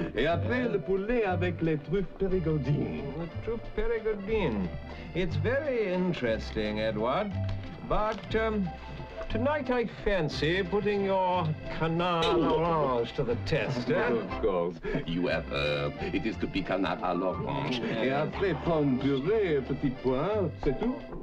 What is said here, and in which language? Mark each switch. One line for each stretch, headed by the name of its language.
French: Et après, le poulet avec les truffes périgordines.
English: The truffe périgordine. It's very interesting, Edward. But tonight, I fancy putting your canard orange to the test, eh? Of course. You have heard. It is to be canard à l'orange.
French: Et après, pomme purée, petit pois, c'est tout?